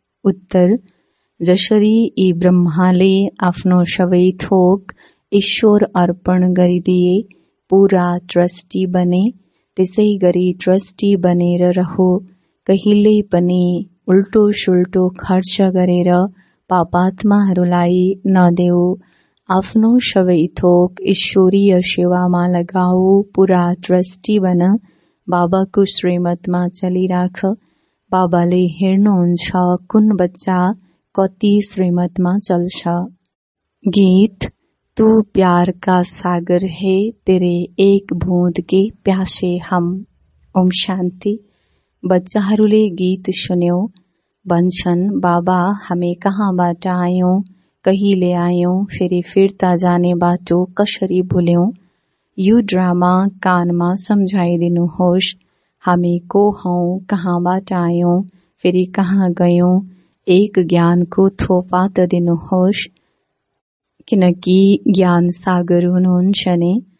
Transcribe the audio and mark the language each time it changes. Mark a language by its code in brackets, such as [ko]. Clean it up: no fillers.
[ne] उत्तर, जसरी यी ब्रह्माले आफ्नो सबै थोक ईश्वर अर्पण गरिदिए पूरा ट्रस्टी बने, त्यसै गरी ट्रस्टी बनेर रहो, कहिले पनि उल्टो सुल्टो खर्च गरेर पापात्माहरूलाई नदेऊ, आफ्नो सबै थोक ईश्वरीय सेवामा लगाऊ, पूरा ट्रस्टी बन, बाबाको श्रीमतमा चलिराख। बाबाले हेर्नुहुन्छ कुन बच्चा कति श्रीमतमा चल्छ। [hi] गीत, तू प्यार का सागर है तेरे एक बूंद के प्यासे हम। [ne] ओम शांति। बच्चाहरूले गीत सुन्यो, भन्छन् बाबा हामी कहाँबाट आयौं, कहिले आयौं, फेरि फिर्ता जाने बाटो कसरी भुल्यौं, यो ड्रामा कानमा सम्झाइदिनुहोस्, हामी को हौं, कहाँबाट आयौं, फेरि कहाँ गयौं, एक ज्ञानको थोपा त दिनुहोस्, किनकि ज्ञान सागर हुनुहुन्छ नि।